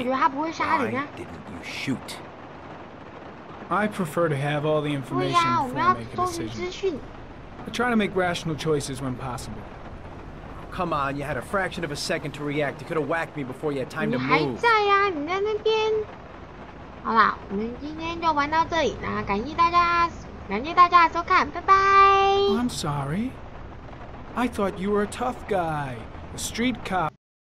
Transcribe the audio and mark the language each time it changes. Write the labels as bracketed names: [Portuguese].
[Chinese] 我觉得他不会杀人啊。 [English] Why didn't you shoot？ I prefer to have all the information before making a decision。 I try to make rational choices when possible。 Come on, you had a fraction of a second to react. You could have whacked me before you had time to move. [Chinese] 你还在呀、啊？你在那边。好啦，我们今天就玩到这里。那感谢大家，感谢大家的收看，拜拜。 [English] I'm sorry. I thought you were a tough guy, a street cop.